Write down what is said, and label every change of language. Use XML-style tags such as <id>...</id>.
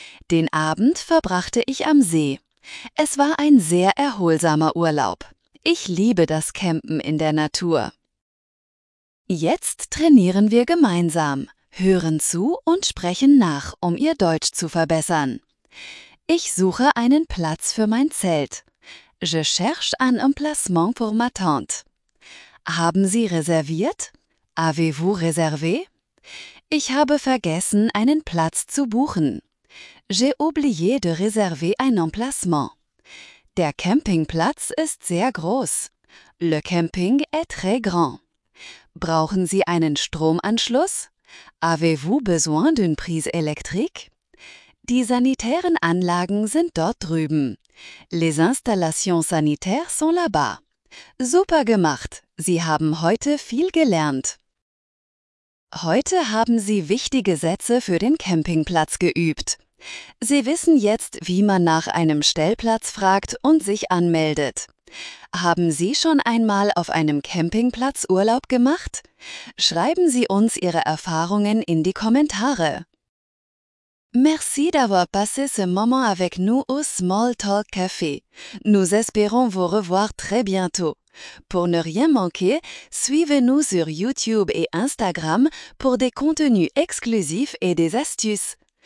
<de>Den Abend verbrachte ich am See. Es war ein sehr erholsamer Urlaub. Ich liebe das Campen in der Natur. Jetzt trainieren wir gemeinsam, hören zu und sprechen nach, um Ihr Deutsch zu verbessern. Ich suche einen Platz für mein Zelt.</de> <fr>Je cherche un emplacement pour ma tente.</fr> <de>Haben Sie reserviert?</de> <fr>Avez-vous réservé?</fr> <de>Ich habe vergessen, einen Platz zu buchen.</de> <fr>J'ai oublié de réserver un emplacement.</fr> <de>Der Campingplatz ist sehr groß.</de> <fr>Le camping est très grand.</fr> <de>Brauchen Sie einen Stromanschluss?</de> <fr>Avez-vous besoin d'une prise électrique?</fr> <de>Die sanitären Anlagen sind dort drüben.</de> <fr>Les installations sanitaires sont là-bas.</fr> <de>Super gemacht! Sie haben heute viel gelernt. Heute haben Sie wichtige Sätze für den Campingplatz geübt. Sie wissen jetzt, wie man nach einem Stellplatz fragt und sich anmeldet. Haben Sie schon einmal auf einem Campingplatz Urlaub gemacht? Schreiben Sie uns Ihre Erfahrungen in die Kommentare.</de> <fr>Merci d'avoir passé ce moment avec nous au Small Talk Café. Nous espérons vous revoir très bientôt. Pour ne rien manquer, suivez-nous sur YouTube et Instagram pour des contenus exclusifs et des astuces.</fr>